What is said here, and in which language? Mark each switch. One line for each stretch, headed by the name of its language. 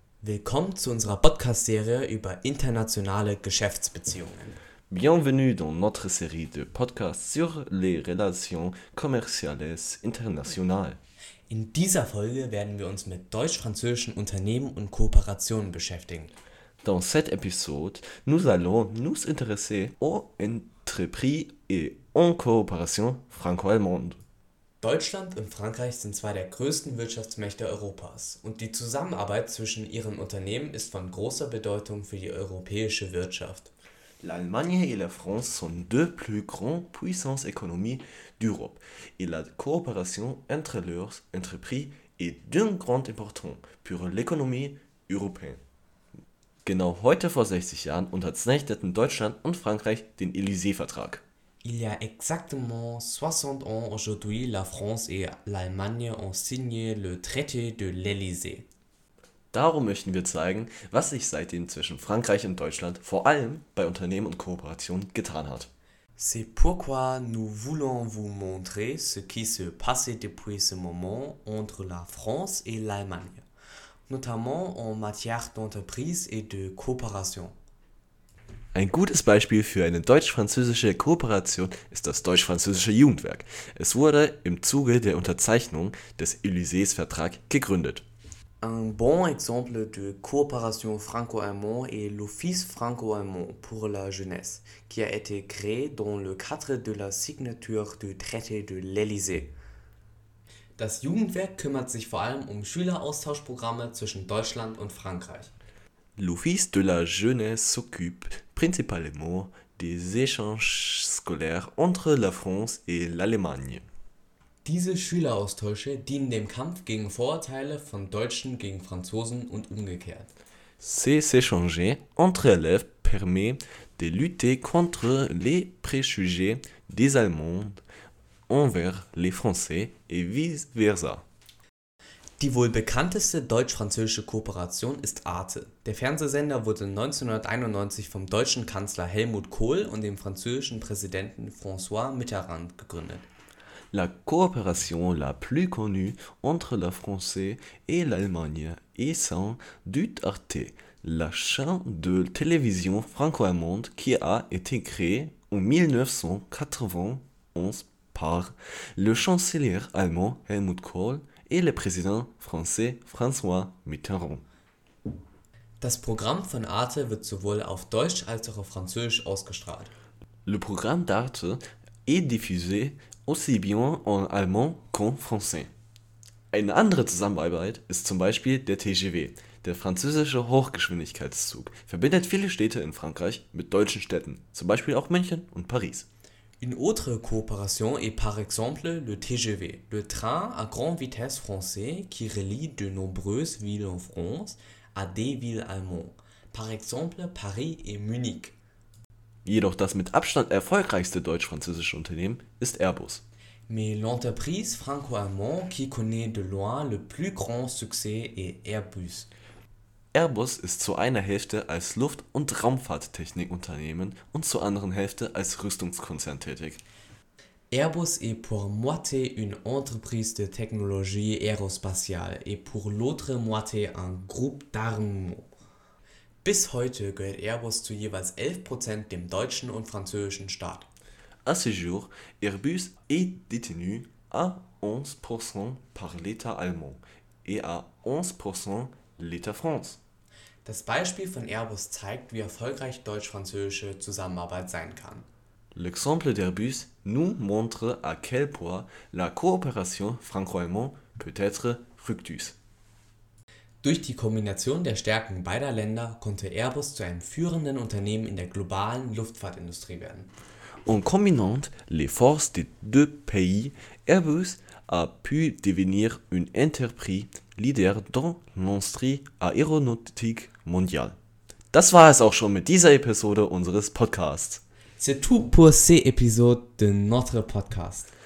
German: Willkommen zu unserer Podcast-Serie über internationale Geschäftsbeziehungen.
French: Bienvenue dans notre série de podcasts sur les relations commerciales internationales.
German: In dieser Folge werden wir uns mit deutsch-französischen Unternehmen und Kooperationen beschäftigen.
French: Dans cet épisode, nous allons nous intéresser aux entreprises et aux coopérations franco-allemandes.
German: Deutschland und Frankreich sind zwei der größten Wirtschaftsmächte Europas und die Zusammenarbeit zwischen ihren Unternehmen ist von großer Bedeutung für die europäische Wirtschaft.
French: L'Allemagne et la France sont deux plus grandes puissances économiques d'Europe et la coopération entre leurs entreprises est d'une grande importance pour l'économie européenne.
German: Genau heute vor 60 Jahren unterzeichneten Deutschland und Frankreich den Élysée-Vertrag.
French: Il y a exactement 60 ans aujourd'hui, la France et l'Allemagne ont signé le traité de l'Élysée.
German: Darum möchten wir zeigen, was sich seitdem zwischen Frankreich und Deutschland vor allem bei Unternehmen und Kooperationen getan hat.
French: C'est pourquoi nous voulons vous montrer ce qui se passe depuis ce moment entre la France et l'Allemagne, notamment en matière d'entreprise et de coopération.
German: Ein gutes Beispiel für eine deutsch-französische Kooperation ist das deutsch-französische Jugendwerk. Es wurde im Zuge der Unterzeichnung des Élysée-Vertrags gegründet.
French: Un bon exemple de coopération franco-allemande est l'Office franco-allemand pour la jeunesse, qui a été créé dans le cadre de la signature du traité de l'Élysée.
German: Das Jugendwerk kümmert sich vor allem um Schüleraustauschprogramme zwischen Deutschland und Frankreich.
French: L'Office de la jeunesse s'occupe principalement des échanges scolaires entre la France et l'Allemagne.
German: Diese Schüleraustausche dienen dem Kampf gegen Vorurteile von Deutschen gegen Franzosen und umgekehrt.
French: Ces échanges entre élèves permet de lutter contre les préjugés des Allemands envers les Français et vice versa.
German: Die wohl bekannteste deutsch-französische Kooperation ist Arte. Der Fernsehsender wurde 1991 vom deutschen Kanzler Helmut Kohl und dem französischen Präsidenten François Mitterrand gegründet.
French: La coopération la plus connue entre la France et l'Allemagne est sans doute Arte, la chaîne de télévision franco-allemande qui a été créée en 1991 par le chancelier allemand Helmut Kohl et le président français François Mitterrand.
German: Das Programm von Arte wird sowohl auf Deutsch als auch auf Französisch ausgestrahlt.
French: Le programme d'Arte est diffusé aussi bien en allemand qu'en français.
German: Eine andere Zusammenarbeit ist zum Beispiel der TGV, der französische Hochgeschwindigkeitszug, verbindet viele Städte in Frankreich mit deutschen Städten, zum Beispiel auch München und Paris.
French: Une autre coopération est par exemple le TGV, le train à grande vitesse français qui relie de nombreuses villes en France à des villes allemandes, par exemple Paris et Munich.
German: Jedoch das mit Abstand erfolgreichste deutsch-französische Unternehmen ist Airbus.
French: Mais l'entreprise franco-allemande qui connaît de loin le plus grand succès est Airbus.
German: Airbus ist zu einer Hälfte als Luft- und Raumfahrttechnikunternehmen und zur anderen Hälfte als Rüstungskonzern tätig.
French: Airbus est pour moitié une entreprise de technologie aérospatiale et pour l'autre moitié un groupe d'armement.
German: Bis heute gehört Airbus zu jeweils 11% dem deutschen und französischen Staat.
French: À ce jour, Airbus est détenu à 11% par l'État allemand et à 11% l'État France.
German: Das Beispiel von Airbus zeigt, wie erfolgreich deutsch-französische Zusammenarbeit sein kann.
French: L'exemple d'Airbus nous montre à quel point la coopération franco-allemande peut être fructueuse.
German: Durch die Kombination der Stärken beider Länder konnte Airbus zu einem führenden Unternehmen in der globalen Luftfahrtindustrie werden.
French: En combinant les forces des deux pays, Airbus a pu devenir une entreprise leader dans l'industrie aéronautique mondiale.
German: Das war es auch schon mit dieser Episode unseres Podcasts.
French: C'est tout pour cette épisode de notre podcast.